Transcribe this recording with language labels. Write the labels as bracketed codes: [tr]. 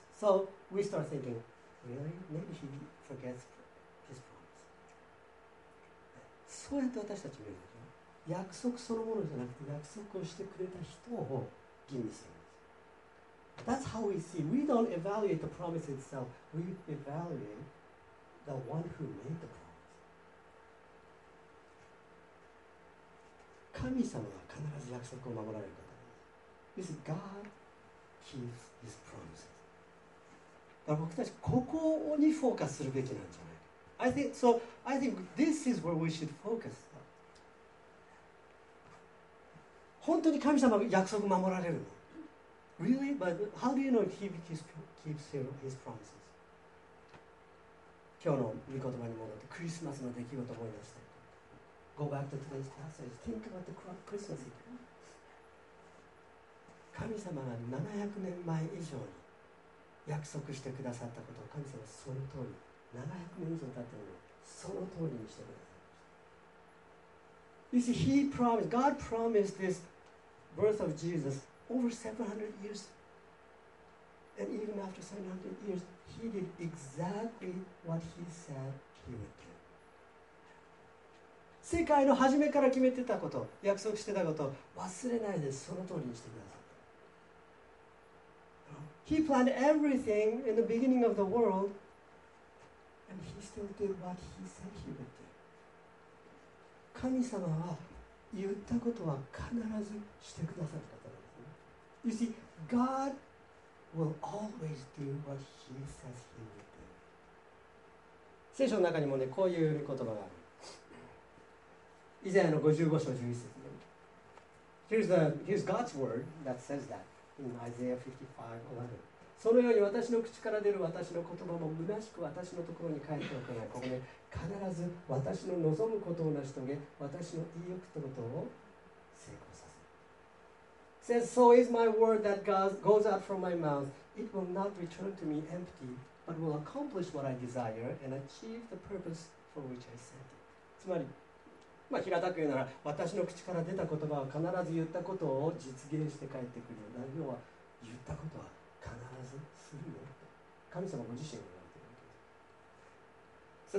[en] So we start thinking. Really? Maybe he forgets his promise. [ja] そうやって私たち見るんですよ。約束そのものじゃなくて約束をしてくれた人を吟味するんです。 [en] That's how we see. We don't evaluate the promise itself. We evaluate the one who made the promise. [ja] 神様は必ず約束を守られる方です。 [en] You see, God keeps his promises. [ja] 僕たちここにフォーカスするべきなんじゃない。 [en] I think so. I think this is where we should focus. [ja] 本当に神様が約束を守られるの? [en] Really? But how do you know he keeps his promises? [ja] 今日の御言葉に戻ってクリスマスの出来事を思い出して。 [en] Go back to today's passage. Think about the Christmas event. [ja] 神様が700年前以上に約束してくださったことを神様はその通り、700年以上経ってもその通りにしてくださった。 [en] You see, he promised, God promised this birth of Jesus over 700 years. And even after 700 years, he did exactly what he said he would do. [ja] 世界の初めから決めてたこと、約束してたこと、忘れないです。その通りにしてください。 [en] He planned everything in the beginning of the world, and he still did what he said he would do. [ja] 神様は言ったことは必ずしてくださる方なんですね。 [en] You see, God will always do what He says He will do. [ja] 聖書の中にもね、こういう言葉がある。イザヤの55章11節、ね。 [en] Here's God's word that says that in Isaiah 55:11. [ja] そのように私の口から出る私の言葉も虚しく私のところに返っておくが、ここで必ず私の望むことを成し遂げ、私の意欲ってことを成功させる。 [en] Says, so is my word that goes out from my mouth. It will not return to me empty, but will accomplish what I desire and achieve the purpose for which I sent it. [ja] つまり、まあ、平たく言うなら、私の口から出た言葉は必ず言ったことを実現して返ってくるよ。何よ、言ったことは必ずするよ。神様ご自身が言われているわけです。